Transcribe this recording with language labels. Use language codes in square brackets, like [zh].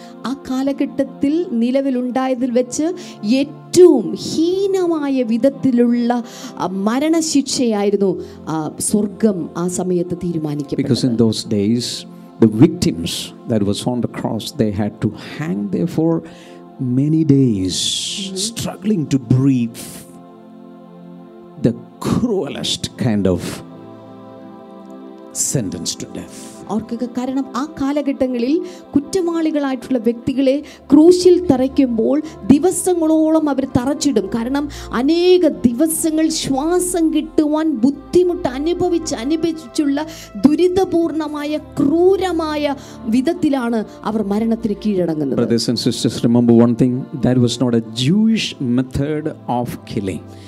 [ml] ആ കാലഘട്ടത്തിൽ നിലവിൽ ഉണ്ടായതിൽ വെച്ച് ഏറ്റവും ഹീനമായ വിധത്തിലുള്ള മരണശിക്ഷയായിരുന്നു സ്വർഗം ആ സമയത്ത് തീരുമാനിക്കപ്പെട്ടത്. [en] Because in those days the victims that was on the cross, they had to hang there for many days struggling to breathe, the cruelest kind of sentenced to death. [ml] അവർക്കൊക്കെ. കാരണം ആ കാലഘട്ടങ്ങളിൽ കുറ്റവാളികളായിട്ടുള്ള വ്യക്തികളെ ക്രൂശിൽ തറയ്ക്കുമ്പോൾ ദിവസങ്ങളോളം അവർ തറച്ചിടും. കാരണം അനേക ദിവസങ്ങൾ ശ്വാസം കിട്ടുവാൻ ബുദ്ധിമുട്ട് അനുഭവിച്ചുള്ള ദുരിതപൂർണമായ ക്രൂരമായ വിധത്തിലാണ് അവർ മരണത്തിന് കീഴടങ്ങുന്നത്. [en] Brothers and sisters, remember one thing, that was not a Jewish method of killing.